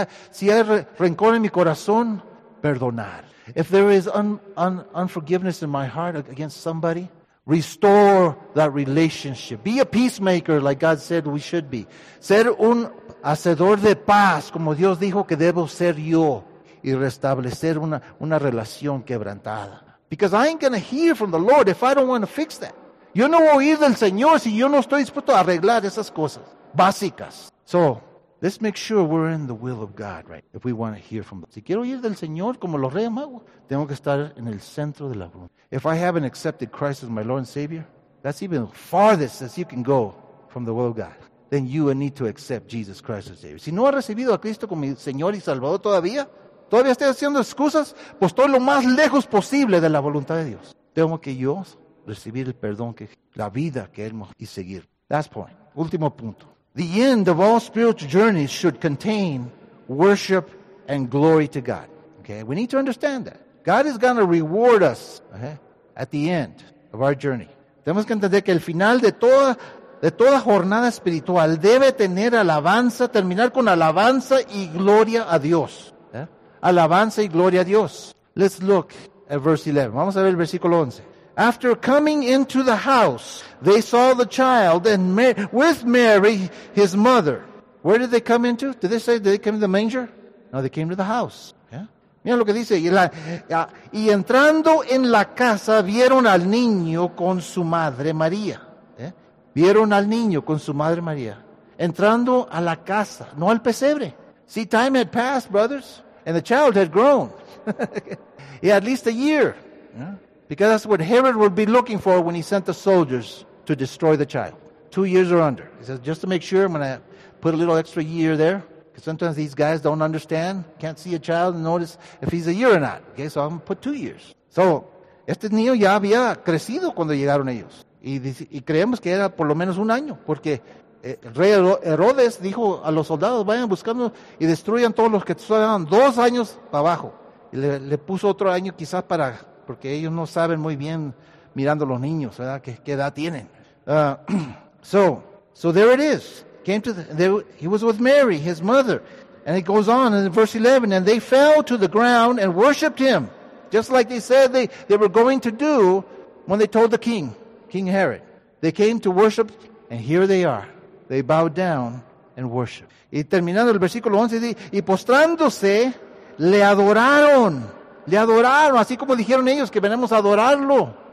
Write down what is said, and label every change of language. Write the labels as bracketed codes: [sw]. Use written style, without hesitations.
[es] Si hay rencor en mi corazón, perdonar. [en] If there is unforgiveness in my heart against somebody, restore that relationship. Be a peacemaker, like God said we should be. [es] Ser un hacedor de paz, como Dios dijo que debo ser yo, y restablecer una relación quebrantada. [en] Because I ain't going to hear from the Lord if I don't want to fix that. [es] Yo no voy a oír del Señor si yo no estoy dispuesto a arreglar esas cosas básicas. [en] So, let's make sure we're in the will of God, right? If we want to hear from the Lord. [es] Si quiero oír del Señor como los reyes magos, tengo que estar en el centro de la voluntad. [en] If I haven't accepted Christ as my Lord and Savior, that's even farthest as you can go from the will of God. Then you need to accept Jesus Christ as Savior. [es] Si no has recibido a Cristo como mi Señor y Salvador todavía, todavía estoy haciendo excusas, pues estoy lo más lejos posible de la voluntad de Dios. Tengo que yo recibir el perdón, la vida que Él me y seguir. [en] Last point. [es] Último punto. [en] The end of all spiritual journeys should contain worship and glory to God. Okay, we need to understand that. God is going to reward us, okay, at the end of our journey. [es] Tenemos que entender que el final de toda jornada espiritual debe tener alabanza, terminar con alabanza y gloria a Dios. Yeah? Alabanza y gloria a Dios. [en] Let's look at verse 11. [es] Vamos a ver el versículo 11. [en] After coming into the house, they saw the child and with Mary, his mother. Where did they come into? Did they say they came to the manger? No, they came to the house. Yeah. [es] Mira lo que dice. Y entrando en la casa, vieron al niño con su madre María. ¿Eh? Vieron al niño con su madre María. Entrando a la casa, no al pesebre. [en] See, time had passed, brothers, and the child had grown. Yeah, at least a year. Yeah. Because that's what Herod would be looking for when he sent the soldiers to destroy the child. 2 years or under. He says, just to make sure, I'm going to put a little extra year there. Because sometimes these guys don't understand, can't see a child and notice if he's a year or not. Okay, so I'm going to put 2 years. [es] So, este niño ya había crecido cuando llegaron ellos. Y creemos que era por lo menos un año. Porque el rey Herodes dijo a los soldados, vayan buscando y destruyan todos los que estaban 2 años para abajo. Y le puso otro año quizás para, porque ellos no saben muy bien mirando a los niños, ¿verdad? ¿Qué edad tienen? [en] So there it is. Came to he was with Mary, his mother. And it goes on in verse 11, and they fell to the ground and worshipped him, just like they said they were going to do when they told the king, King Herod. They came to worship, and here they are. They bowed down and worshipped. [es] Y terminando el versículo 11, y postrándose, le adoraron. Le adoraron, así como dijeron ellos que venimos a adorarlo.